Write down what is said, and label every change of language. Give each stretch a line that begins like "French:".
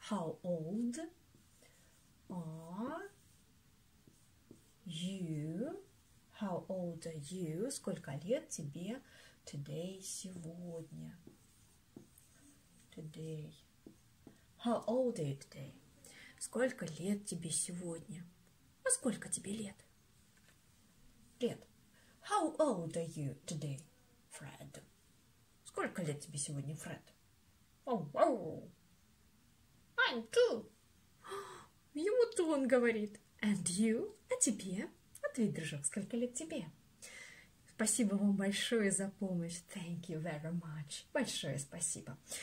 English: How old are you? How old are you?
Russian: Сколько лет тебе
English: today,
Russian: сегодня?
English: Today. How old are you today?
Russian: Сколько лет тебе сегодня? А сколько тебе лет? Лет.
English: How old are you today, Fred?
Russian: Сколько лет тебе сегодня, Фред?
English: Oh, oh. I'm two.
Russian: Ему то он говорит.
English: And you?
Russian: А тебе? Ответь, дружок, сколько лет тебе? Спасибо вам большое за помощь.
English: Thank you very much.
Russian: Большое спасибо.